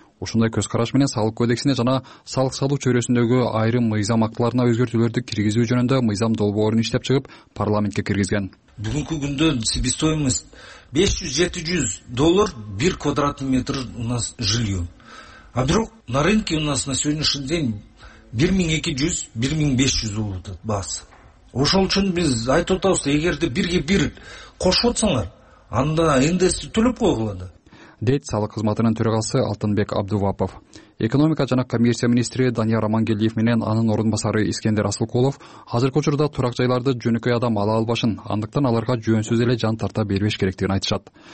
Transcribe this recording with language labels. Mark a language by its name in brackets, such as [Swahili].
[Kyrgyz] Ушундай көз караш менен салык кодексине жана салык салуу чөйрөсүндөгү айрым мыйзам актыларына өзгөртүүлөрдү киргизүү жөнүндө мыйзам долбоорун иштеп чыгып парламентке киргизген. Бүгүнкү күндө [Russian] себестоимость 500-700 доллар бир квадратный метр у нас жилье. [Kyrgyz] А бирок [Russian] на рынке у нас на сегодняшний день 1200-1500 [Kyrgyz] болуп атат баасы. Ошол үчүн биз айтып атабыз, эгерде бирге бир кошуп атсаңар, анда НДС төлөп койгулады. Дейт салык кызматынын төрагасы Алтынбек Абдувапов. Экономика жана коммерция министри Данияр Амангелиев менен анын орун басары Искендер Асылкулов азыркы учурда турак жайларды жөнөкөй адам ала албашын, андыктан аларга жөнсүз эле жан тарта бербеш керектигин айтышат.